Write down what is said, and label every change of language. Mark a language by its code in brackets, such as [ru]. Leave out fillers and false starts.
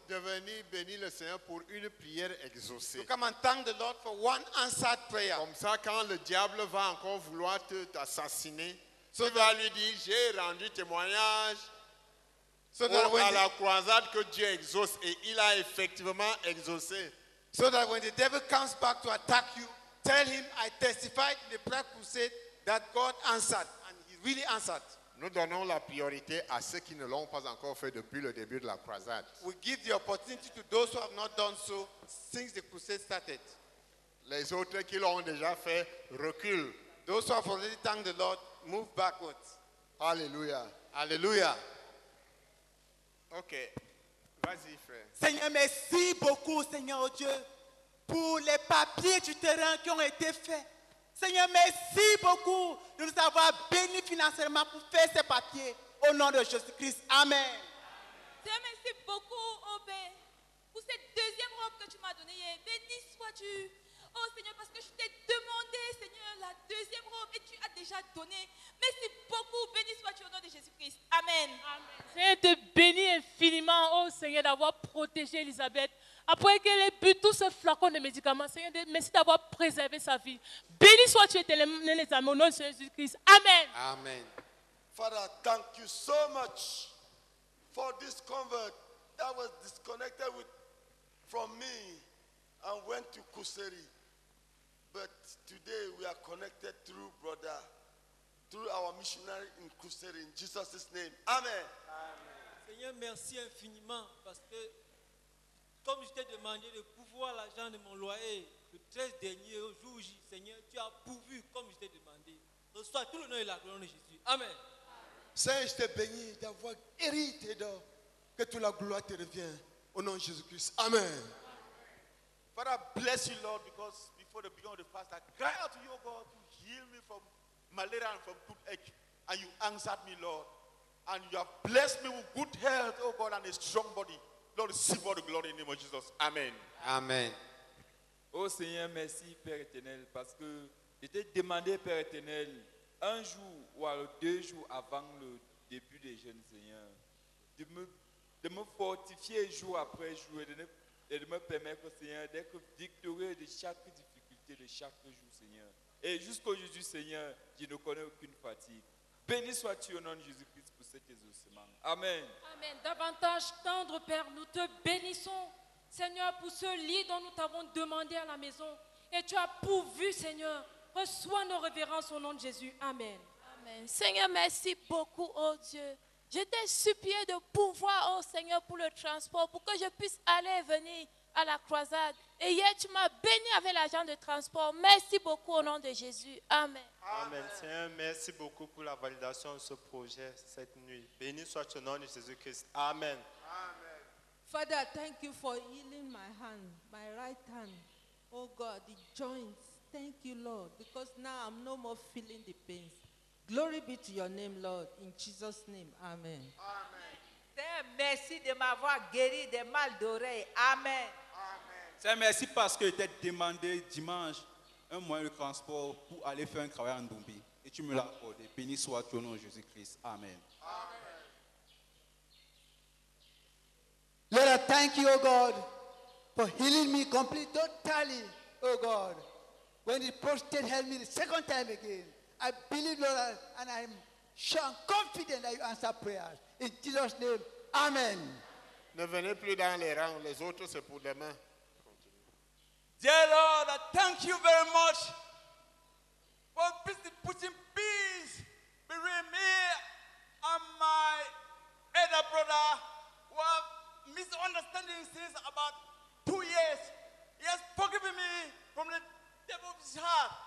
[fr] de venir bénir le Seigneur pour une prière exaucée. [en] To come and thank the Lord for one answered prayer. [fr] Comme ça, quand le diable va encore vouloir te assassiner, so tu vas lui dire, j'ai rendu témoignage [en] so that [fr] à la croisade que Dieu exauce et il a effectivement exaucé. [en] So that when the devil comes back to attack you, tell him, I testified in the prayer crusade that God answered and he really answered. [fr] Nous donnons la priorité à ceux qui ne l'ont pas encore fait depuis le début de la croisade. [en] We give the opportunity to those who have not done so since the crusade started. [fr] Les autres qui l'ont déjà fait reculent. [en] Those who have already thanked the Lord move backwards. Hallelujah. Hallelujah. [fr] OK. Vas-y frère. Seigneur, merci beaucoup Seigneur Dieu pour les papiers du terrain qui ont été faits. Seigneur, merci beaucoup de nous avoir bénis financièrement pour faire ces papiers. Au nom de Jésus-Christ. Amen. Seigneur, merci beaucoup, oh Père, pour cette deuxième robe que tu m'as donnée. Béni sois-tu. Oh Seigneur, parce que je t'ai demandé, Seigneur, la deuxième robe et tu as déjà donné. Merci beaucoup. Béni sois-tu au nom de Jésus-Christ. Amen. Amen. Seigneur, te bénis infiniment, oh Seigneur, d'avoir protégé Elisabeth. Après qu'elle ait bu tout ce flacon de médicaments, Seigneur, merci d'avoir préservé sa vie. Béni sois-tu éternellement, les amis, au nom de Jésus-Christ. Amen. Amen. [en] Father, thank you so much for this convert that was disconnected from me and went to Kuseri. But today we are connected through brother, through our missionary in Kuseri, in Jesus' name. Amen. Amen. [fr] Seigneur, merci infiniment parce que comme je t'ai demandé de pourvoir l'argent de mon loyer, le 13 dernier jour, Seigneur, tu as pourvu comme je t'ai demandé. Reçois tout le nom et la gloire de Jésus. Amen. Seigneur, je te bénis d'avoir guéri tes dents. Que toute la gloire te revienne au nom de Jésus-Christ. Amen. [en] Father, bless you, Lord, because before the beginning of the fast, I cry out to your God to heal me from malaria and from toothache. And you answered me, Lord. And you have blessed me with good health, oh God, and a strong body. Lord, receive all the glory in the name of Jesus. Amen. Amen. [fr] Oh Seigneur, merci, Père éternel, parce que je t'ai demandé, Père éternel, un jour ou alors deux jours avant le début des jeunes, Seigneur, de me fortifier jour après jour et de me permettre, Seigneur, d'être victorieux de chaque difficulté, de chaque jour, Seigneur. Et jusqu'aujourd'hui, Seigneur, je ne connais aucune fatigue. Béni sois-tu au nom de Jésus-Christ pour cet exaucement. Amen. Amen. Davantage tendre, Père, nous te bénissons, Seigneur, pour ce lit dont nous t'avons demandé à la maison. Et tu as pourvu, Seigneur. Reçois nos révérences au nom de Jésus. Amen. Amen. Seigneur, merci beaucoup, oh Dieu. Je t'ai supplié de pouvoir, oh Seigneur, pour le transport, pour que je puisse aller et venir à la croisade. Et hier, tu m'as béni avec l'argent de transport. Merci beaucoup au nom de Jésus. Amen. Amen. Seigneur, merci beaucoup pour la validation de ce projet cette nuit. Béni soit le nom de Jésus-Christ. Amen. Amen. [en] Father, thank you for healing my hand, my right hand. Oh God, the joints. Thank you, Lord, because now I'm no more feeling the pains. Glory be to your name, Lord. In Jesus' name, amen. Amen. [fr] Seigneur, merci de m'avoir guéri des mal d'oreilles. Amen. Amen. Seigneur, merci parce que t'as demandé dimanche un moyen de transport pour aller faire un travail en Dombi. Et tu me l'as accordé. Béni soit ton nom, Jésus-Christ. Amen. Amen. [en] Lord, I thank you, oh God, for healing me completely, totally, oh God. When the prostate helped me the second time again, I believe, Lord, and I'm sure and confident that you answer prayers. In Jesus' name, amen. [fr] Ne venez plus dans les rangs, les autres, c'est pour demain. Continue. [en] Dear Lord, I thank you very much for putting peace between me and my elder brother who have misunderstanding since about 2 years. He has forgiven me from the devil of his heart.